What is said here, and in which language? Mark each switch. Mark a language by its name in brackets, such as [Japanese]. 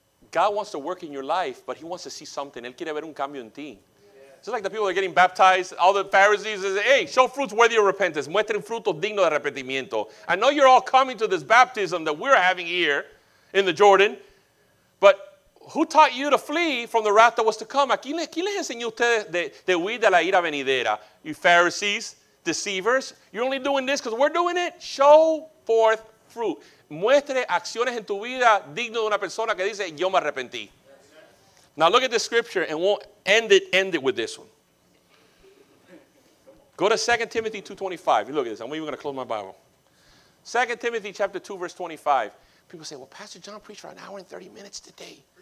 [English] God wants to work in your life, but he wants to see something. [Spanish] Él quiere ver un cambio en ti. [English] Yes. Just like the people that are getting baptized, all the Pharisees say, hey, show fruits worthy of repentance. [Spanish] Muestren frutos dignos de arrepentimiento. [English] I know you're all coming to this baptism that we're having here in the Jordan, but who taught you to flee from the wrath that was to come? [Spanish] ¿Quién les enseñó ustedes de huir de la ira venidera? [English] You Pharisees, deceivers, you're only doing this because we're doing it. Show forth fruit. [Spanish] Muestre acciones en tu vida digno de una persona que dice, yo me arrepentí. [English] Now look at this scripture and we'll end it with this one. Go to 2 Timothy 2:25. Look at this. I'm even going to close my Bible. 2 Timothy chapter 2, verse 25. People say, well, Pastor John preached for an hour and 30 minutes today.